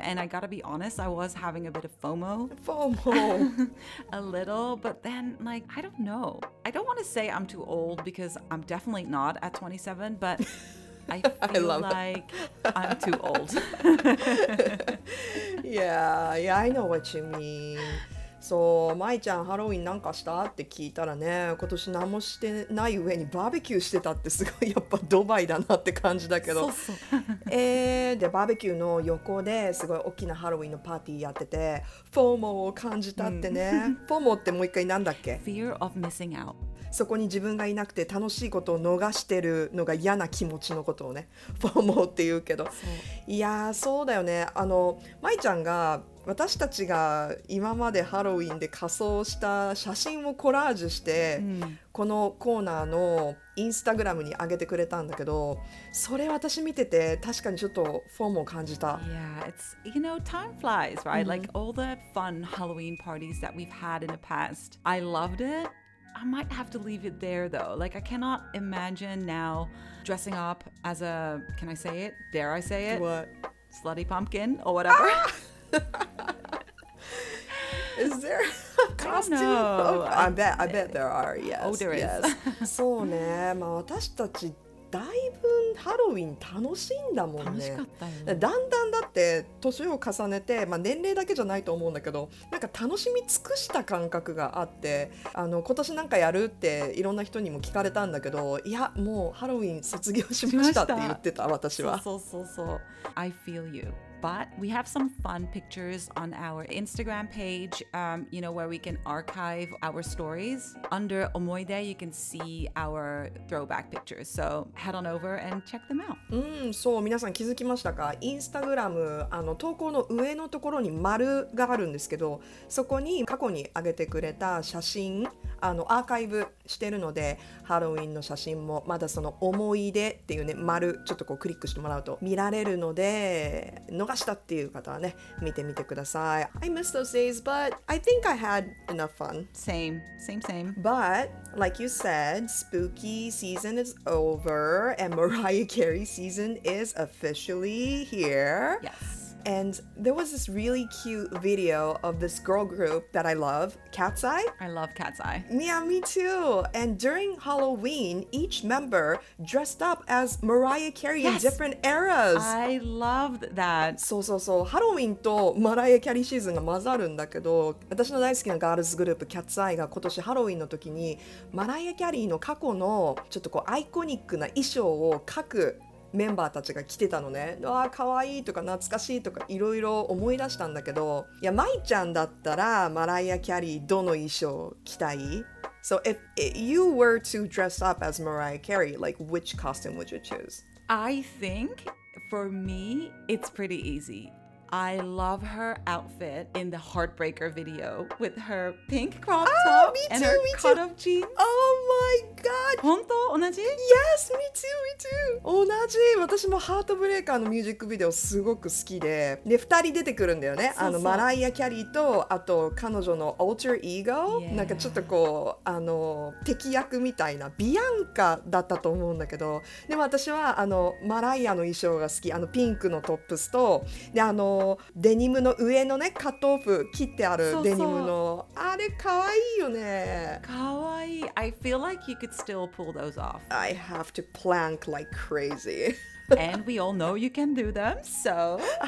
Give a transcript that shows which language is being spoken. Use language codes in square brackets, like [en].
[en] And I gotta be honest, I was having a bit of FOMO. FOMO. A little, but then like, I don't know. I don't want to say I'm too old because I'm definitely not at 27, but I feel I like I'm too old. Yeah, I know what you mean. [ja] そう、まいちゃんハロウィンなんかしたって聞いたらね、今年何もしてない上にバーベキューしてたってすごいやっぱドバイだなって感じだけど、そうそう、でバーベキューの横ですごい大きなハロウィンのパーティーやってて、フォーモを感じたってね、うん、フォーモってもう一回なんだっけ、 [en] Fear of missing out。 [ja] そこに自分がいなくて楽しいことを逃してるのが嫌な気持ちのことをね、フォーモって言うけど、そう、いやそうだよね、あのまいちゃんが私たちが今までハロウィンで仮装した写真をコラージュして、うん、このコーナーのインスタグラムに上げてくれたんだけど、それ私見てて確かにちょっとフォームを感じた。 [en] Yeah, it's, you know, time flies, right?、Mm-hmm. Like all the fun Halloween parties that we've had in the past, I loved it. I might have to leave it there though. Like I cannot imagine now dressing up as a, can I say it? Dare I say it? What? Slutty pumpkin or whatever.、 Ah! Is there a costume? I don't know. Okay, I bet there are, yes. Oh, there yes. is. [ja] そうね、まあ、私たちだいぶハロウィン楽しんだもんね。楽しかったよね。だんだんだって年を重ねて、まあ、年齢だけじゃないと思うんだけど、なんか楽しみ尽くした感覚があって、あの今年なんかやるっていろんな人にも聞かれたんだけど、いやもうハロウィン卒業しましたって言ってた、私は。そうそうそうそう。 [en] I feel youBut we have some fun pictures on our Instagram page, you know, where we can archive our stories. Under Omoide, you can see our throwback pictures. So head on over and check them out. [ja] そう、皆さん気づきましたか？Instagram、あの投稿の上のところに丸があるんですけど、そこに過去に上げてくれた写真、あのアーカイブしてるので、ハロウィンの写真もまだその思い出っていうね、丸ちょっとこうクリックしてもらうと見られるので、逃したっていう方はね、見てみてください。 [en] I miss those days, but I think I had enough fun. Same, same, same. But like you said, spooky season is over and Mariah Carey season is officially here. Yes. And there was this really cute video of this girl group that I love, Cat's Eye. I love Cat's Eye. Yeah, me too. And during Halloween, each member dressed up as Mariah Carey yes! in different eras. I loved that. [ja] そうそうそう。ハロウィンとマライアキャリーシーズンが混ざるんだけど、私の大好きなガールズグループ Cat's Eye が今年ハロウィンの時にマライアキャリーの過去のちょっとこうアイコニックな衣装を描くメンバーたちが来てたのね。うわーかわいいとか懐かしいとかいろいろ思い出したんだけど、いや、まいちゃんだったらマライア・キャリーどの衣装着たい？ [en] So if you were to dress up as Mariah Carey, like which costume would you choose? I think for me it's pretty easy. I love her outfit in the Heartbreaker video with her pink crop top and her cut off jeans. Oh my god! [ja] 本当？同じ？ [en] Yes, me too, me too! [ja] 同じ！私もハートブレーカーのミュージックビデオすごく好きで、で、二人出てくるんだよね。そうそう、あのマライア・キャリーと、あと彼女のアルテルイーゴ、 [en] yeah. [ja] なんかちょっとこう、あの敵役みたいなビアンカだったと思うんだけど、でも私はあのマライアの衣装が好き、あのピンクのトップスと、で、あのデニムの上のねカットオフ切ってあるデニムの、そうそう、あれかわいいよね。かわいい。 [en] I feel like you could still pull those off. I have to plank like crazy. And we all know you can do them, so